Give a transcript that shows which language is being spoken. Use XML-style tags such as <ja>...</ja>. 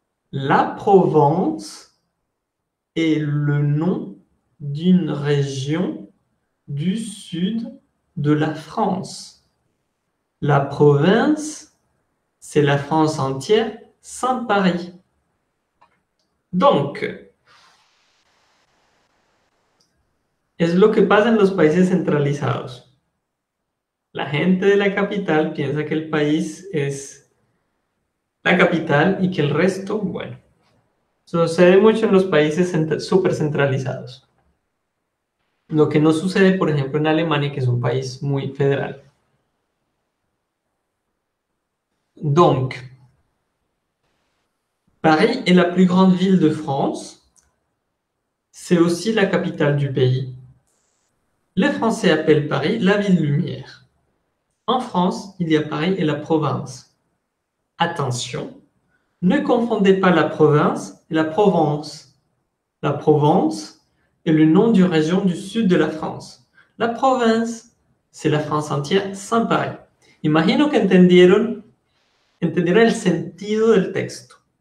<fr>La Provence est le nom d'une région du sud de la France. La province, c'est la France entière sans Paris. Donc,</fr> <es>es lo que pasa en los países centralizados. La gente de la capital piensa que el país es la capital y que el resto, bueno, sucede mucho en los países súper centralizados. Lo que no sucede, por ejemplo, en Alemania, que es un país muy federal.</es> <fr>Donc, Paris est la plus grande ville de France. C'est aussi la capitale du pays. Les Français appellent Paris la ville lumière. En France, il y a Paris et la province. Attention, ne confondez pas la province et la Provence. La Provence est le nom d'une région du sud de la France. La province, c'est la France entière sans Paris.</fr> <es>Imagino que entendieron el sentido del texto.</es>